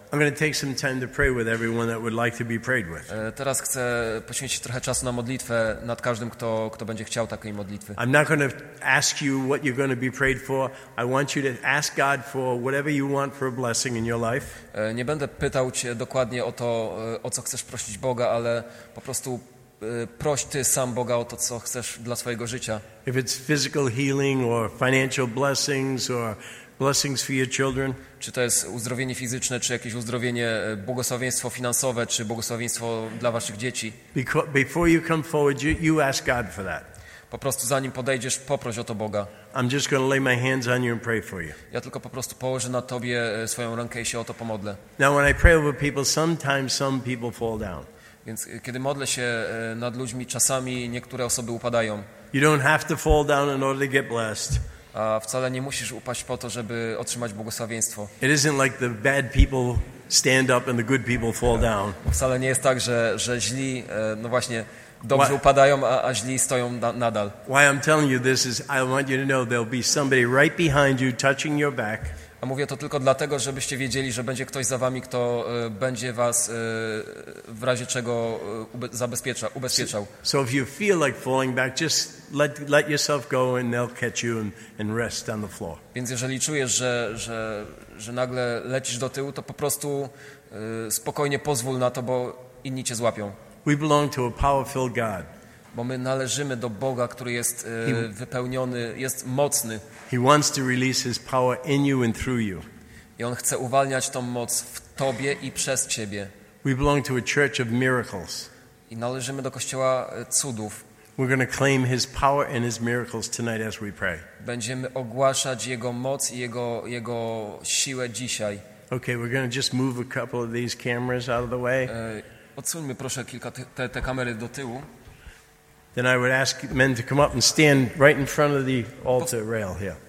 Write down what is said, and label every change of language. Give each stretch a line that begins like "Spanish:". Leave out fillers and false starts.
English: I'm going to take some time to pray with everyone that would like to be prayed with.
Polish: Teraz chcę poświęcić trochę czasu na modlitwę nad każdym, kto będzie chciał takiej modlitwy.
English: I'm not going to ask you what you're going to be prayed for. I want you to ask God for whatever you want for a blessing in your life.
Polish: Nie będę pytał cię dokładnie o to, o co chcesz prosić Boga, ale po prostu proś ty sam Boga o to, co chcesz dla swojego życia.
English: If it's physical healing or financial blessings or blessings for your children.
Polish: Czy to jest uzdrowienie fizyczne, czy jakieś uzdrowienie, błogosławieństwo finansowe, czy błogosławieństwo dla waszych dzieci.
English: Before you come forward, you ask God for that.
Polish: Po prostu zanim podejdziesz, poproś o to Boga.
English: I'm just going to lay my hands on you and pray for you.
Polish: Ja tylko po prostu położę na tobie swoją rękę i się o to pomodlę.
English: Now when I pray over people, sometimes some people fall down.
Polish: Więc kiedy modlę się nad ludźmi, czasami niektóre osoby upadają.
English: You don't have to fall down in order to get blessed.
Polish: A wcale nie musisz upaść po to, żeby otrzymać błogosławieństwo.
English: It isn't like the bad people stand up and the good people fall down.
Polish: Wcale nie jest tak, że źli, no właśnie, dobrze upadają, a źli stoją nadal.
English: Why I'm telling you this is I want you to know there'll be somebody right behind you touching your back.
Polish: A mówię to tylko dlatego, żebyście wiedzieli, że będzie ktoś za wami, kto będzie was w razie czego ubezpieczał.
English: So if you feel like falling back, just let yourself go and they'll catch you and rest on the floor.
Polish: Więc jeżeli czujesz, że nagle lecisz do tyłu, to po prostu spokojnie pozwól na to, bo inni cię złapią.
English: We belong to a powerful God.
Polish: Bo my należymy do Boga, który jest wypełniony, jest mocny.
English: He wants to release his power in you and through you.
Polish: I on chce uwalniać tą moc w tobie i przez ciebie.
English: We belong to a church of miracles.
Polish: I należymy do kościoła cudów.
English: We're going to claim his power and his miracles tonight as we pray.
Polish: Będziemy ogłaszać jego moc i jego siłę dzisiaj.
English: Okay, we're going to just move a couple of these cameras out of the way.
Polish: Odsuńmy proszę kilka te kamery do tyłu.
English: Then I would ask men to come up and stand right in front of the altar rail here.